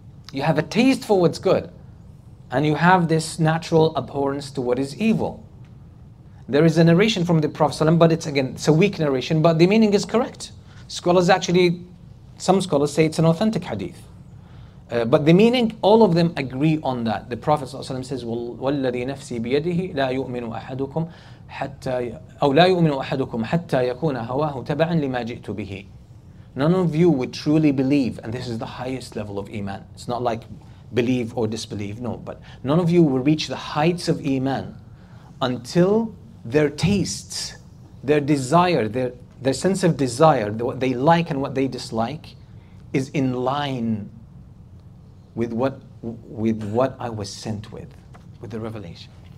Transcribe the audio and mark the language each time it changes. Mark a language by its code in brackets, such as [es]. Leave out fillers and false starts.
[en] You have a taste for what's good. And you have this natural abhorrence to what is evil. There is a narration from the Prophet ﷺ, but it's again, it's a weak narration, but the meaning is correct. Scholars actually, some scholars say it's an authentic hadith. But the meaning, all of them agree on that. [ar] The Prophet ﷺ says, وَالَّذِي نَفْسِي بِيَدِهِ لَا يُؤْمِنُ أَحَدُكُمْ حَتَّى أَوْ لَا يُؤْمِنُ أَحَدُكُمْ حَتَّى يَكُونَ هَوَاهُ تَبَعًا لِمَا جِئْتُ بِهِ. [en] None of you would truly believe, and this is the highest level of Iman. It's not like believe or disbelieve, no. But none of you will reach the heights of Iman until their tastes, their desire, their sense of desire, what they like and what they dislike, is in line with what I was sent with the revelation.